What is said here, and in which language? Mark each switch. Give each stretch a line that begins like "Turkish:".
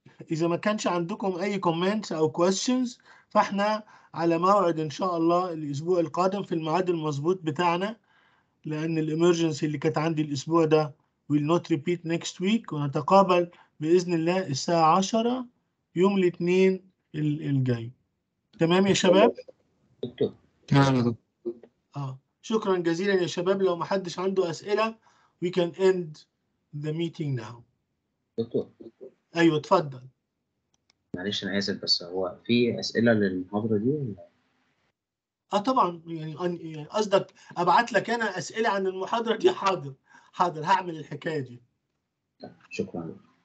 Arabic: اذا ما كانش عندكم اي كومنتس او كويستشنز، فاحنا على موعد ان شاء الله الاسبوع القادم في الميعاد المظبوط بتاعنا، لان الامرجنسي اللي كانت عندي الاسبوع ده
English: will not repeat next week،
Arabic: ونتقابل بإذن الله الساعة 10 يوم الاثنين الجاي. تمام يا شباب؟ شكرا جزيلا يا شباب. لو ما حدش عنده أسئلة
English: we can end the meeting now.
Arabic: أيوة تفضل. معلش أنا آسف، بس هو في أسئلة للمحاضرة دي؟ طبعا، يعني قصدك أبعت لك أنا أسئلة عن المحاضرة دي؟ حاضر حاضر، هعمل الحكاية دي. شكرا.